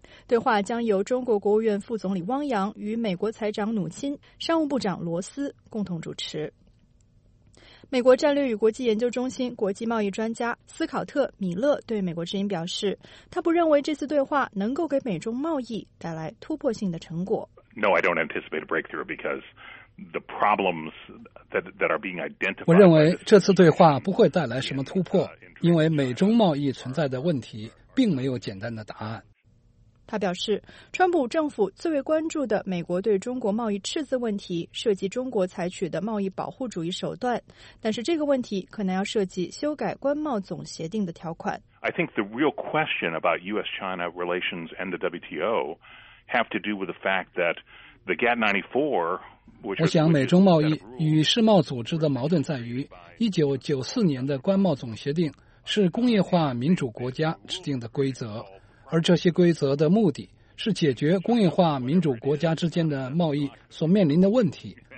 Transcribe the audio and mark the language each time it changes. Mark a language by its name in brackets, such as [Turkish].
[Chinese] 对话将由中国国务院副总理汪洋与美国财长努钦、商务部长罗斯共同主持。美国战略与国际研究中心国际贸易专家斯考特·米勒对美国之音表示，他不认为这次对话能够给美中贸易带来突破性的成果。 [English] No, I don't anticipate a breakthrough because the problems that are being identified. [Chinese] 我认为这次对话不会带来什么突破，因为美中贸易存在的问题并没有简单的答案。他表示，川普政府最为关注的美国对中国贸易赤字问题涉及中国采取的贸易保护主义手段，但是这个问题可能要涉及修改关贸总协定的条款。 [English] I think the real question about U.S.-China relations and the WTO have to do with the fact that the GATT 94 [Chinese] 我想美中贸易与世贸组织的矛盾在于1994年的关贸总协定是工业化民主国家制定的规则，而这些规则的目的是解决工业化民主国家之间的贸易所面临的问题。